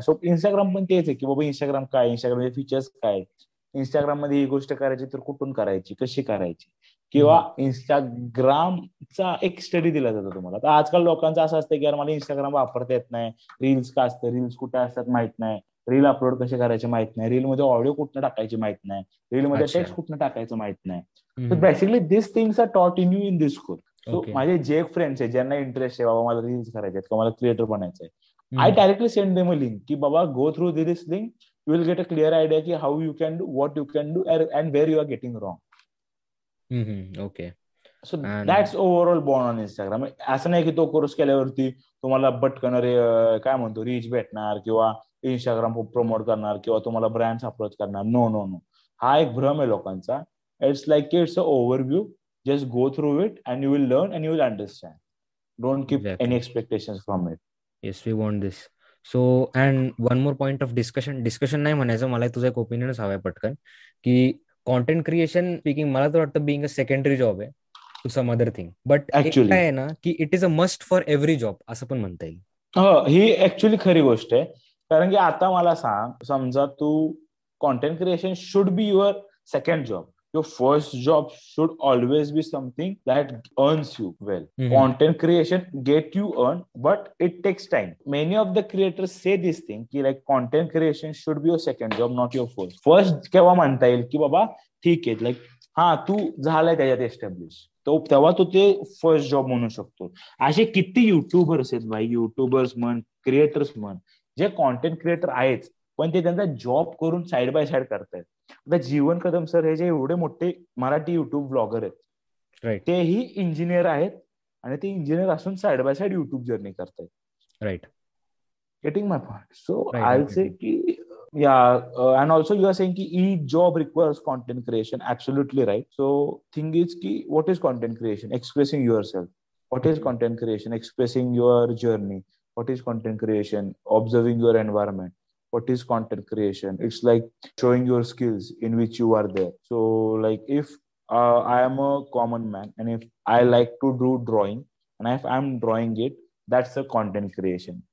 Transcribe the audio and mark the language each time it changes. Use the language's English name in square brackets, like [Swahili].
[Marathi] So Instagram पण तेच आहे की बाबा इंस्टाग्राम काय, इंस्टाग्राम मध्ये फीचर्स काय, इंस्टाग्राम मध्ये ही गोष्ट करायची तर कुठून करायची, कशी करायची, किंवा इंस्टाग्रामचा एक स्टडी दिला जातो तुम्हाला. तर आजकाल लोकांचं असं असतं की यार मला इंस्टाग्राम वापरता येत नाही, रील्स काय असतं, रील्स कुठे असतात माहित नाही, रील अपलोड कसे करायचे माहित नाही, रील मध्ये ऑडिओ कुठं टाकायची माहित नाही, रील मध्ये टेक्स्ट कुठं टाकायचं माहित नाही. [English] तर basically this things are taught in you in this school. [Marathi] So माझे जे फ्रेंड्स आहेत ज्यांना इंटरेस्ट आहे बाबा मला रील्स करायचे किंवा मला क्रिएटर बनायचं आहे, [English] I directly send them a link की बाबा go through this link, you will get a clear idea की how you can do, what you can do and where you are getting wrong. Okay, so that's overall born on Instagram. [Marathi] असं नाही की तो course केल्यावरती तुम्हाला बटकणारे काय म्हणतो reach भेटणार किंवा इंस्टाग्राम प्रमोट करणार किंवा तुम्हाला ब्रँड्स अप्रोच करणार. [English] no no no, [Marathi] हा एक भ्रम आहे लोकांचा. [English] It's like it's a overview, just go through it and you will learn and you will understand. Don't keep any expectations from it. Yes, we want this. So, and one more point of discussion [Marathi] नाही म्हणायचं मला, तुझा एक opinion हवाय पटकन की content creation speaking मला तर वाटतं [English] being a secondary job आहे to some other thing, but actually [Marathi] काय आहे ना की [English] it is a must for every job [Marathi] असं पण म्हणता येईल. ही ऍक्च्युअली खरी गोष्ट आहे, कारण की आता मला सांग, समजा तू [English] Content creation should be your second job, your first job should always be something that earns you well. Content creation get you earn, but it takes time. Many of the creators say this thing की like content creation should be your second job, not your first. [Marathi] First केव्हा म्हणता येईल की बाबा ठीक आहे, like हा तू झालाय त्याच्यात एस्टॅब्लिश, तेव्हा तू ते फर्स्ट जॉब म्हणू शकतो. असे किती युट्यूबर्स आहेत भाई, युट्यूबर्स म्हण, क्रिएटर्स म्हण, जे कॉन्टेंट क्रिएटर आहेच पण ते त्यांचा जॉब करून साईड बाय साईड करतायत. आता जीवन कदम सर हे जे एवढे मोठे मराठी युट्यूब ब्लॉगर आहेत, तेही इंजिनियर आहेत आणि ते इंजिनियर असून side by side YouTube journey करतायत. [English] Right, getting my point. So I say की yeah, and also you are saying की ई job requires content creation, absolutely right. So thing is की what is content creation, expressing yourself. What is content creation, expressing your journey. What is content creation? Observing your environment. What is content creation? It's like showing your skills in which you are there. So like if I am a common man and if I like to do drawing and if I'm drawing it, that's a content creation.